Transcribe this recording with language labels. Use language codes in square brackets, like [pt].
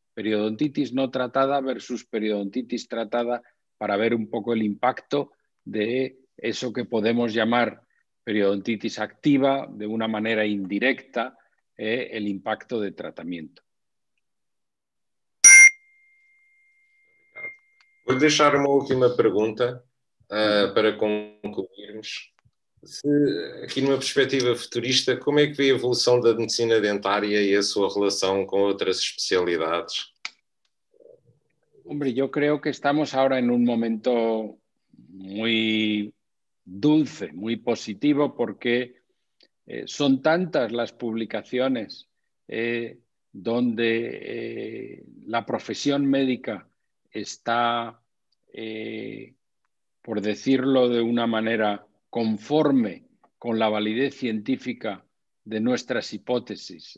[es] Periodontitis no tratada versus periodontitis tratada, para ver un poco el impacto de eso que podemos llamar periodontitis activa de una manera indirecta, el impacto de tratamiento. Voy a dejar una última pregunta para concluirmos. [pt] Se, aqui numa perspectiva futurista, como é que vê a evolução da medicina dentária e a sua relação com outras especialidades? [es] Hombre, yo creo que estamos ahora en un momento muy dulce, muy positivo, porque son tantas las publicaciones donde la profesión médica está, por decirlo de una manera, conforme con la validez científica de nuestras hipótesis.